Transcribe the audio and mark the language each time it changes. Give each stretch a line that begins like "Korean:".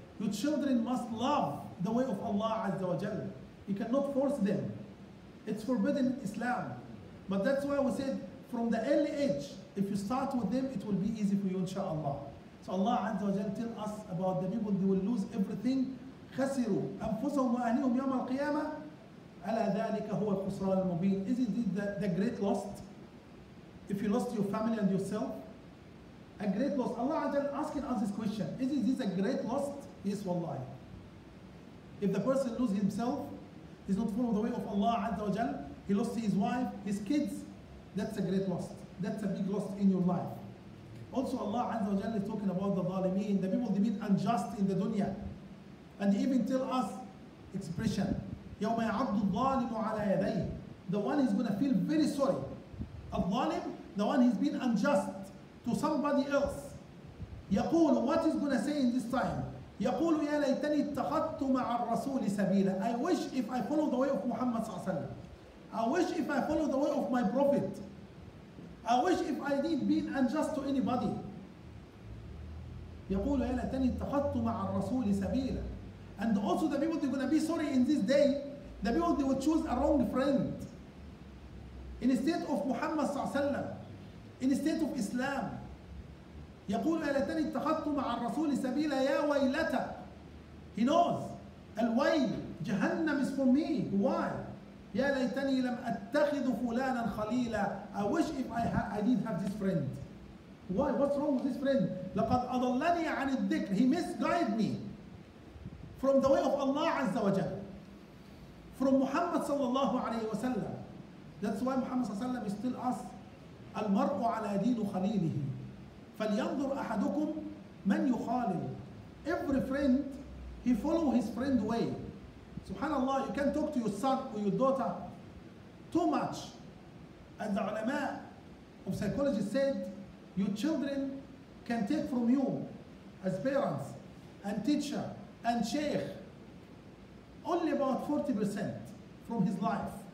English: Your children must love the way of Allah Azza wa Jal. You cannot force them. It's forbidden in Islam. But that's why we said, from the early age, if you start with them, it will be easy for you, inshallah. So Allah Azza wa Jal tell us about the people, they will lose everything.
Arabic: خسروا أنفسهم وأهلهم يوم القيامة على ذلك هو الخسران المبين.
English: Isn't it the great loss? If you lost your family and yourself, a great loss. Allah Azza asking us this question. Isn't this a great loss? Yes, wallahi. If the person loses himself, he's not following the way of Allah Azza wa Jal, he lost his wife, his kids, that's a great loss. That's a big loss in your life. Also Allah Azza wa Jal is talking about the ظالمين, the people they meet unjust in the dunya. And even tell us expression,
Arabic: يوم يعض الظالم على يديه.
English: The one is gonna feel very sorry. الظالم, the one he's been unjust to somebody else. يقول, what is gonna say in this time?
Arabic: يقول يا ليتني اتخذت مع الرسول سبيلا.
English: I wish if I follow the way of Muhammad صلى الله عليه وسلم. I wish if I follow the way of my prophet. I wish if I didn't be unjust to anybody.
Arabic: يقول يا ليتني اتخذت مع الرسول سبيلا.
English: And also the people they're gonna be sorry in this day, the people they would choose a wrong friend instead of Muhammad صلى الله عليه وسلم, instead of Islam.
Arabic: يقول يا ليتني اتخذت مع الرسول سبيلا يا ويلتا.
English: He knows الويل, جهنم is for me. Why?
Arabic: يا ليتني لم اتخذ فلانا خليلا.
English: I wish if I didn't have this friend. Why? What's wrong with this friend?
Arabic: لقد أضلني عن الذكر.
English: He misguided me from the way of Allah عز وجل, from Muhammad صلى الله عليه وسلم. That's why Muhammad صلى الله عليه وسلم still us.
Arabic: المرء على دين خليله فلينظر أحدكم من يخالل.
English: Every friend, he follow his friend way. Subhanallah, you can't talk to your son or your daughter too much. And the ulama of psychology said, your children can take from you as parents and teacher and sheikh only about 40% from his life.